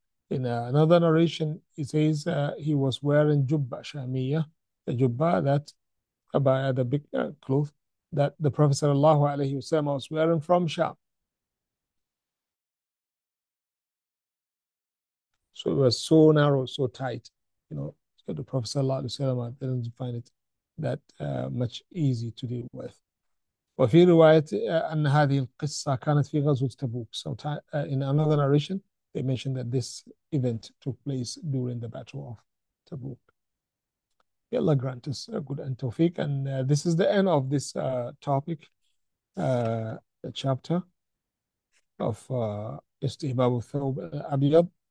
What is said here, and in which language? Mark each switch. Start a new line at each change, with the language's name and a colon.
English: In another narration, he says he was wearing jubba shamiya, a jubba that by the big cloth that the Prophet sallallahu alaihi wasallam was wearing from Sham. So it was so narrow, so tight, you know. So the Prophet sallallahu alaihi wasallam didn't find it that much easy to deal with.
Arabic: وفي رواية أن هذه القصة كانت في غزوة تبوك.
English: So in another narration, they mentioned that this event took place during the Battle of Tabuk. May Allah grant us a good and tawfiq. And this is the end of this topic, the chapter of Istihbab al-Thawb al-Abyad.